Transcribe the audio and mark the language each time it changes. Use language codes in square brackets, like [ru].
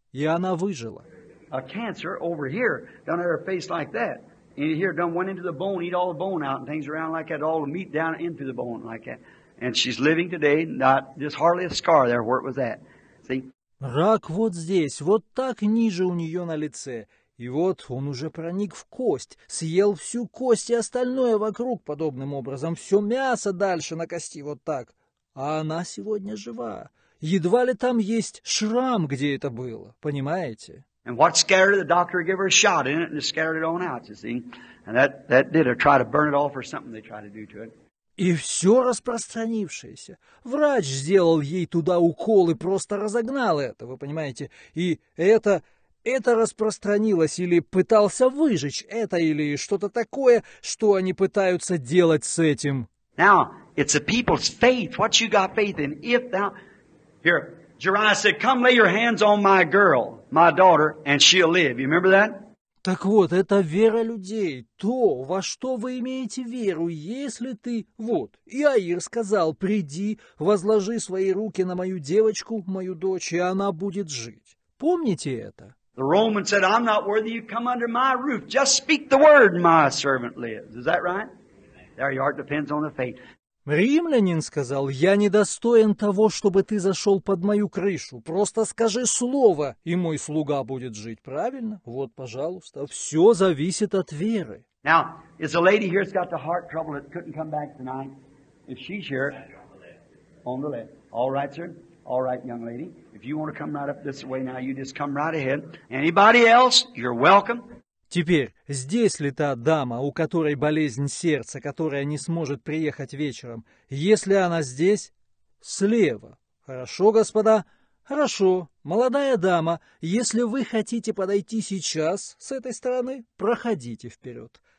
[ru] И она выжила. [en] A cancer over here, down at her face like that. And here, done went into the bone, eat all the bone out, and things around like that, all the meat down into the bone like that. And she's living today, not just hardly a scar there where it was at. See? [ru] Рак вот здесь, вот так ниже у нее на лице. И вот он уже проник в кость, съел всю кость и остальное вокруг подобным образом, все мясо дальше на кости вот так. А она сегодня жива. Едва ли там есть шрам, где это было, понимаете? [en] And what scared her, the doctor gave her a shot in it and scared it on out, you see. And that did her, try to burn it off or something they tried to do to it. [ru] И все распространившееся. Врач сделал ей туда укол и просто разогнал это, вы понимаете? И это распространилось или пытался выжечь это, или что-то такое, что они пытаются делать с этим. [en] Now, it's a people's faith. What you got faith in? If thou... Here, Jeremiah said, come lay your hands on my girl, my daughter, and she'll live. You remember that? [ru] Так вот, это вера людей, то, во что вы имеете веру, если ты... Вот, Иаир сказал, приди, возложи свои руки на мою девочку, мою дочь, и она будет жить. Помните это? [en] The Roman said, I'm not worthy you come under my roof. Just speak the word, my servant lives. Is that right? There your heart depends on the faith. [ru] Римлянин сказал, я недостоин того, чтобы ты зашел под мою крышу. Просто скажи слово, и мой слуга будет жить. Правильно? Вот, пожалуйста. Все зависит от веры. [en] Now, is a lady here that's got the heart trouble that couldn't come back tonight? If she's here, on the left. All right, sir. All right, young lady. If you want to come right up this way now, you just come right ahead. Anybody else, you're welcome. [ru] Теперь, здесь ли та дама, у которой болезнь сердца, которая не сможет приехать вечером? Если она здесь, слева. Хорошо, господа? Хорошо. Молодая дама, если вы хотите подойти сейчас с этой стороны, проходите вперед.